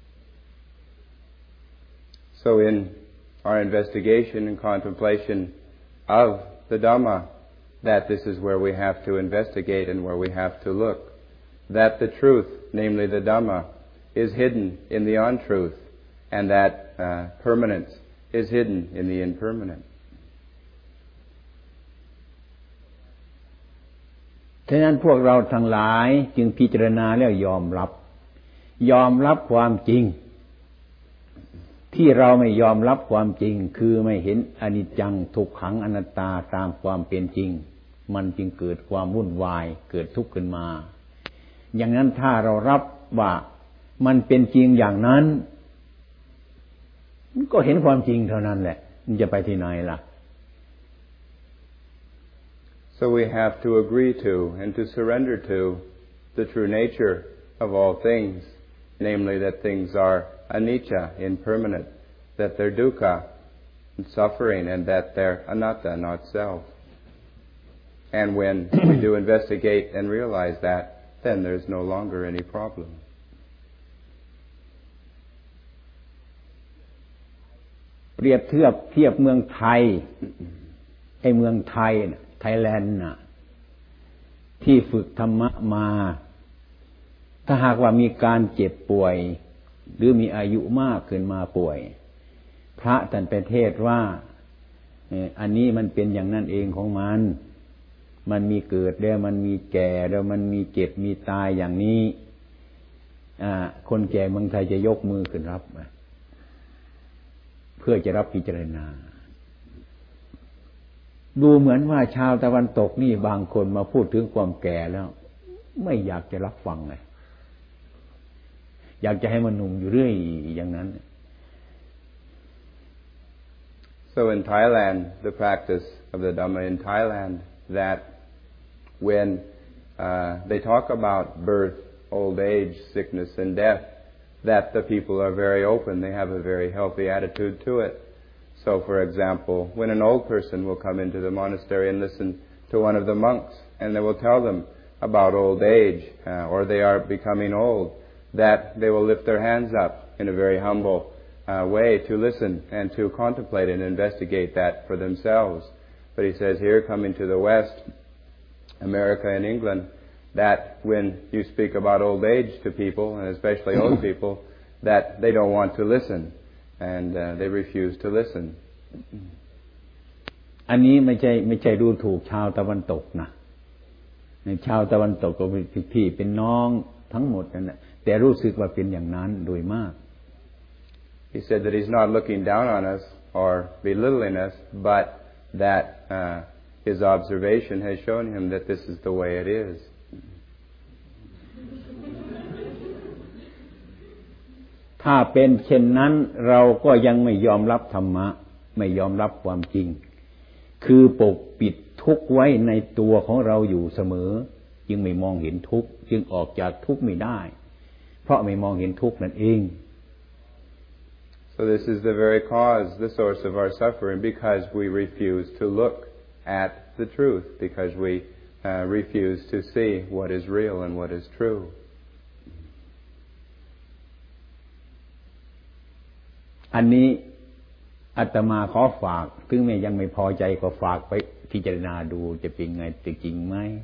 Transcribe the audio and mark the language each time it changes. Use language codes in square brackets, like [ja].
[en] So in our investigation and contemplation of the Dhamma that this is where we have to investigate and where we have to look that the truth namely the Dhamma is hidden in the untruth and that permanence is hidden in the impermanent [th] ฉะนั้นพวกเราทั้งหลายจึงพิจารณาแล้วยอมรับยอมรับความจริงที่เราไม่ยอมรับความจริงคือไม่เห็นอนิจจังทุกขังอนัตตาตามความเป็นจริงมันจึงเกิดความวุ่นวายเกิดทุกข์ขึ้นมาอย่างนั้นถ้าเรารับว่ามันเป็นจริงอย่างนั้นก็เห็นความจริงเท่านั้นแหละมันจะไปที่ไหนล่ะ [en] So we have to agree to and to surrender to the true nature of all things, namely that things areanicca, impermanent, that they're dukkha, suffering, and that they're anatta, not self. And when we do investigate and realize that, then there's no longer any problem. [th] เปรียบเทียบเทียบเมืองไทยไอ้เมืองไทยไทยแลนด์น่ะที่ฝึกธรรมะมาถ้าหากว่ามีการเจ็บป่วยหรือมีอายุมากขึ้นมาป่วยพระท่านไปเทศว่า อันนี้มันเป็นอย่างนั้นเองของมันมันมีเกิดแล้วมันมีแก่แล้วมันมีเจ็บมีตายอย่างนี้คนแก่เมืองไทยจะยกมือขึ้นรับเพื่อจะรับพิจารณา ดูเหมือนว่าชาวตะวันตกนี่บางคนมาพูดถึงความแก่แล้วไม่อยากจะรับฟังเลยอยากจะให้มันหนุ่มอยู่เรื่อยอย่างนั้น [en] So in Thailand the practice of the Dhamma in Thailand that when they talk about birth old age sickness and death that the people are very open they have a very healthy attitude to it so for example when an old person will come into the monastery and listen to one of the monks and they will tell them about old age or they are becoming oldthat they will lift their hands up in a very humble way to listen and to contemplate and investigate that for themselves. But he says here, coming to the West, America and England, that when you speak about old age to people, and especially old people, that they don't want to listen and they refuse to listen. [th] อันนี้ไม่ใช่ดูถูกชาวตะวันตกนะชาวตะวันตกก็เป็นพี่เป็นน้องทั้งหมดนั่นแหละแต่รู้สึกว่าเป็นอย่างนั้นโดยมาก [en] He said that he's not looking down on us or belittling us but that his observation has shown him that this is the way it is [th] ถ้าเป็นเช่นนั้นเราก็ยังไม่ยอมรับธรรมะไม่ยอมรับความจริงคือปกปิดทุกข์ไว้ในตัวของเราอยู่เสมอจึงไม่มองเห็นทุกข์จึงออกจากทุกข์ไม่ได้เพราะไม่มองเห็นทุกข์นั่นเอง [en] So this is the very cause, the source of our suffering, because we refuse to look at the truth, because we refuse to see what is real and what is true. [th] อันนี้อาตมาขอฝากถึงแม้ยังไม่พอใจก็ฝากไปพิจารณาดูจะเป็นไงจริงไหม